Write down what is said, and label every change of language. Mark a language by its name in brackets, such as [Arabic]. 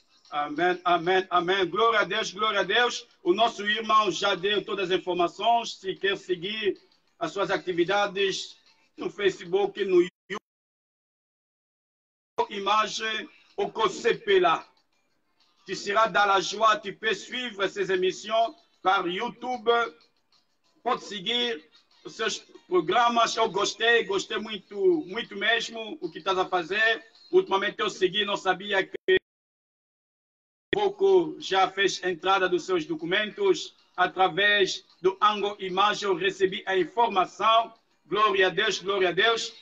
[Portuguese] Amém, amém, amém. Glória a Deus, glória a Deus. O nosso irmão já deu todas as informações. Se quer seguir as suas atividades no Facebook, no YouTube, imagem, o Cossepela. [French] Tu seras dans la joie, tu peux suivre ces émissions par YouTube. [Portuguese] Pode seguir os seus programas. Eu gostei, gostei muito, muito mesmo o que estás a fazer. Ultimamente eu segui, não sabia que pouco já fez entrada dos seus documentos através do Ango Imagem. Eu recebi a informação. Glória a Deus, glória a Deus.